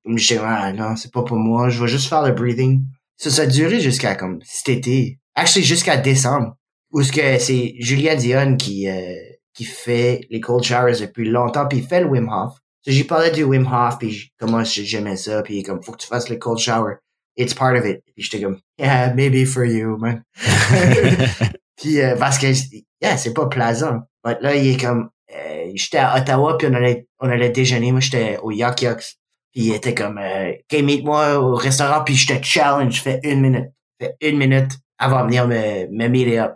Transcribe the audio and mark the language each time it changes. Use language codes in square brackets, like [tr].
[fr] Je me disais, ah, non, c'est pas pour moi, je vais juste faire le breathing. [en] So, [fr] ça a duré jusqu'à comme cet été. [en] Actually, [fr] jusqu'à décembre. Où ce que c'est Julia Dionne qui fait les cold showers depuis longtemps, puis il fait le Wim Hof. [en] So, [fr] j'ai parlé du Wim Hof, puis comment j'aimais ça, puis comme, faut que tu fasses le cold shower. [en] It's part of it. Puis j'étais comme, yeah, maybe for you, man. [fr] Puis parce que, [en] yeah, [fr] c'est pas plaisant. [en] But [fr] là, il est comme, j'étais à Ottawa, puis on allait déjeuner. Moi, j'étais au Yuck Yucks. Puis il était comme, [en] okay, [fr] meet-moi au restaurant, puis j'étais challenge. Fais une minute avant de venir me meeter up.